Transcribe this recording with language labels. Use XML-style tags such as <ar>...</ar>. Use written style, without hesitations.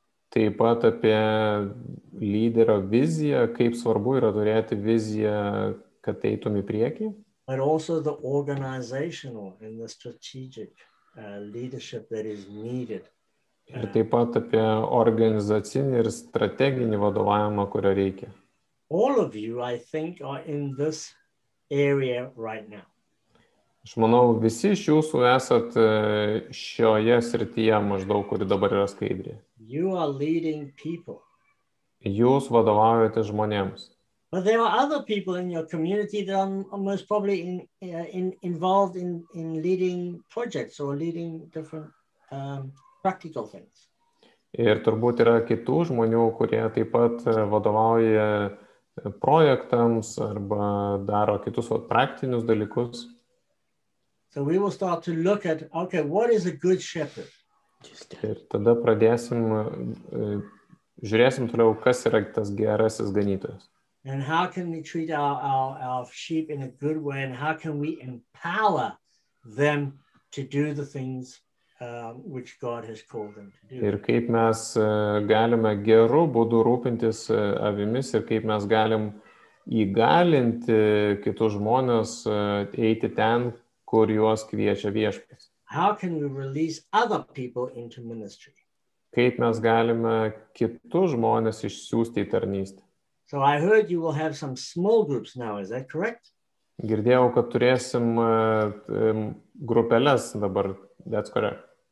<lt>Taip pat apie lyderio viziją, kaip svarbu yra turėti viziją, kad eitum į priekį.</lt> <en>But also the organizational and the strategic leadership that is needed.</en> <lt>Ir taip pat apie organizacinį ir strateginį vadovavimą, kurio reikia.</lt> <en>All of you, I think, are in this area right now.</en> <lt>Aš manau, visi iš jūsų esat šioje srityje maždaug, kuri dabar yra skaidrė.</lt> <en>You are leading people.</en> <lt>Jūs vadovaujate žmonėms.</lt> <en>But there are other people in your community that are most probably involved in leading projects or leading different practical things.</en> <lt>Ir turbūt yra kitų žmonių, kurie taip pat vadovauja projektams arba daro kitus praktinius dalykus.</lt> <en>So we will start to look at, okay, what is a good shepherd?</en> <lt>Ir tada pradėsim, žiūrėsim toliau, kas yra tas gerasis ganytojas.</lt> <en>And how can we treat our sheep in a good way, and how can we empower them to do the things which God has called them to do?</en> <lt>Ir kaip mes galime geru būdu rūpintis avimis, ir kaip mes galim įgalinti kitus žmonės eiti ten, kur juos kviečia Viešpats.</lt> <en>How can we release other people into ministry?</en> <lt>Kaip mes galime kitus žmonės išsiųsti į tarnystę?</lt> <en>So I heard you will have some small groups now, is that correct?</en> <lt>Girdėjau, kad turėsim grupeles dabar,</lt> <en>that's correct.</en>